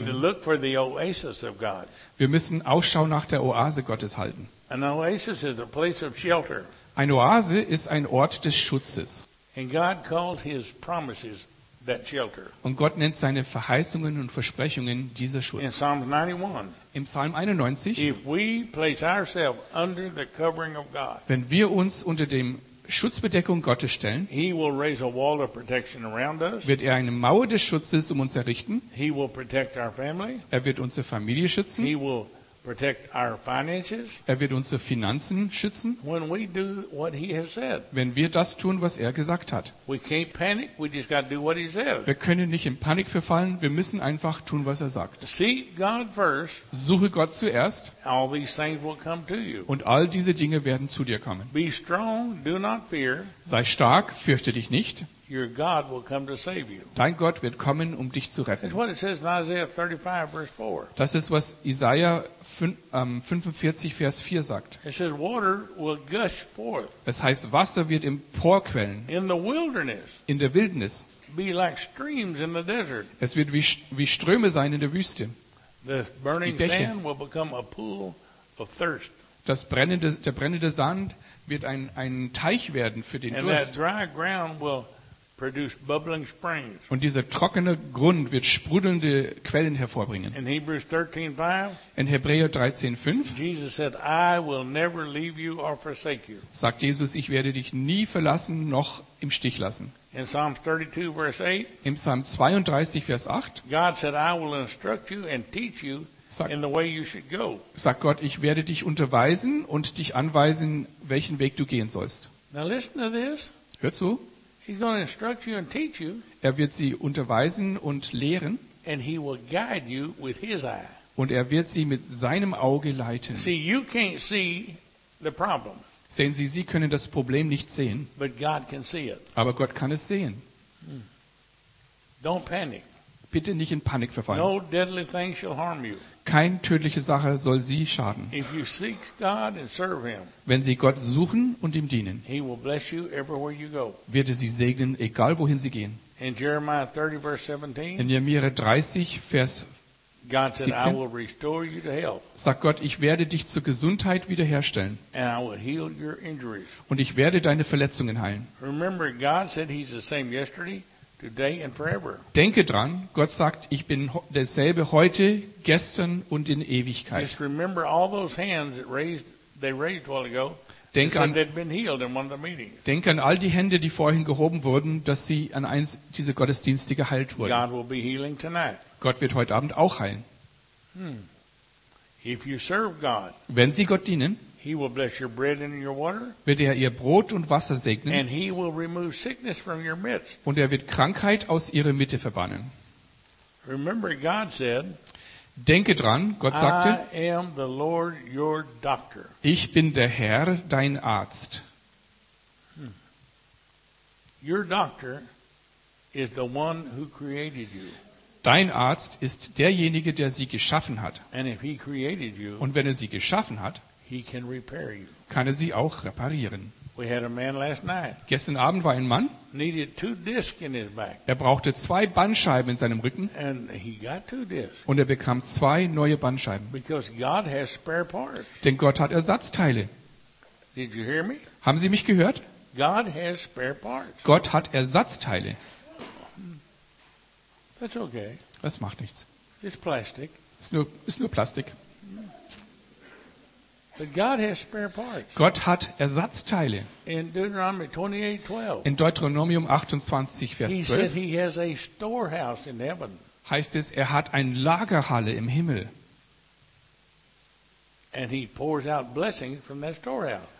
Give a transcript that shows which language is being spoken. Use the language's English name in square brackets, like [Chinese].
[English] We need to look for the oasis of God. [German] Wir müssen Ausschau nach der Oase Gottes halten. [English] An oasis is a place of shelter. [German] Eine Oase ist ein Ort des Schutzes. [English] And God called his promises that shelter. [German] Und Gott nennt seine Verheißungen und Versprechungen dieser Schutz. [English] In Psalm 91. [German] Im Psalm 91. [English] If we place ourselves under the covering of God. [German] Wenn wir uns unter dem Schutzbedeckung Gottes stellen, [English] he will raise a wall of protection around us. [German] Wird er eine Mauer des Schutzes um uns errichten. [English] He will protect our family. [German] Er wird unsere Familie schützen. [English] He will protect our finances. [German] Er wird unsere Finanzen schützen. [English] When we do what he has said. [German] Wenn wir das tun, was er gesagt hat. [English] We can't panic, we just got to do what he said. [German] Wir können nicht in Panik verfallen, wir müssen einfach tun, was er sagt. [English] Seek God first. [German] Suche Gott zuerst. [English] All these things will come to you. [German] Und all diese Dinge werden zu dir kommen. [English] Be strong, do not fear. [German] Sei stark, fürchte dich nicht. [English] Your God will come to save you. [German] Dein Gott wird kommen, um dich zu retten. [English] That's what it says in Isaiah 35, verse 4. [German] Das ist, was Jesaja 45, Vers 4 sagt. [English] It says, water will gush forth. [German] Es heißt, Wasser wird emporquellen. [English] In the wilderness. [German] In der Wildnis. [English] Be like streams in the desert. [German] Es wird wie Ströme sein in der Wüste. [English] The burning sand will become a pool of thirst. [German] Der brennende Sand wird ein Teich werden für den [English] And [German] Durst. [English] And that dry ground will produce bubbling springs. [German] Und dieser trockene Grund wird sprudelnde Quellen hervorbringen. [English] In Hebrews 13:5. [German] In Hebräer 13:5. [English] Jesus said, I will never leave you or forsake you. [German] Sagt Jesus, ich werde dich nie verlassen noch im Stich lassen. [English] In Psalm 32 verse 8. [German] Im Psalm 32 Vers 8. [English] God said, I will instruct you and teach you in the way you should go. [German] Sagt Gott, ich werde dich unterweisen und dich anweisen, welchen Weg du gehen sollst. [English] Now listen to this. [German] Hör zu. [English] He's going to instruct you and teach you. [German] Er wird sie unterweisen und lehren. [English] And he will guide you with his eye. [German] Und er wird sie mit seinem Auge leiten. [English] See, you can't see the problem. [German] Sehen Sie, Sie können das Problem nicht sehen. [English] But God can see it. [German] Aber Gott kann es sehen. [English] Don't panic. [German] Bitte nicht in Panik verfallen. [English] No deadly thing shall harm you. [German] Keine tödliche Sache soll Sie schaden. [English] If you seek God and serve him, [German] wenn Sie Gott suchen und ihm dienen, [English] he will bless you everywhere you go. [German] Wird er Sie segnen, egal wohin Sie gehen. [English] In Jeremiah 30, verse 17, [German] in Jeremia 30, Vers 17, [English] God said, I will restore you to health. [German] Sagt Gott, ich werde dich zur Gesundheit wiederherstellen. [English] And I will heal your injuries. [German] Und ich werde deine Verletzungen heilen. [English] Remember, God said he's the same yesterday. Today and forever. [German] Denke dran, Gott sagt, ich bin derselbe heute, gestern und in Ewigkeit. [English] Just remember all those hands that they raised a while ago. [German] Denk an all die Hände, die vorhin gehoben wurden, dass sie an eins dieser Gottesdienste geheilt wurden. [English] God will be healing tonight. [German] Gott wird heute Abend auch heilen. [English] If you serve God, [German] wenn Sie Gott dienen, [English] he will bless your bread and your water. [German] Wird er ihr Brot und Wasser segnen. [English] And he will remove sickness from your midst. [German] Und er wird Krankheit aus ihrer Mitte verbannen. [English] Remember, God said, [German] denke dran, Gott sagte, [English] I am the Lord, your doctor. [German] Ich bin der Herr, dein Arzt. [English] Your doctor is the one who created you. [German] Dein Arzt ist derjenige, der sie geschaffen hat. [English] And if he created you, [German] und wenn er sie geschaffen hat, [English] he can repair you. [German] Kann er sie auch reparieren. [English] We had a man last night. [German] Gestern Abend war ein Mann. [English] Needed two discs in his back. [German] Er brauchte zwei Bandscheiben in seinem Rücken. [English] And he got two discs. [German] Und er bekam zwei neue Bandscheiben. [English] Because God has spare parts. [German] Denn Gott hat Ersatzteile. [English] Did you hear me? [German] Haben Sie mich gehört? [English] God has spare parts. [German] Gott hat Ersatzteile. [English] That's okay. [German] Das macht nichts. [English] It's plastic. [German] Ist nur Plastik. [English] But God has spare parts. [German] Gott hat Ersatzteile. [English] In Deuteronomy 28:12. [German] In Deuteronomium 28, Vers 12. [English] He said he has a storehouse in heaven. [German] Heißt es, er hat ein Lagerhalle im Himmel. [English] And he pours out blessings from that storehouse.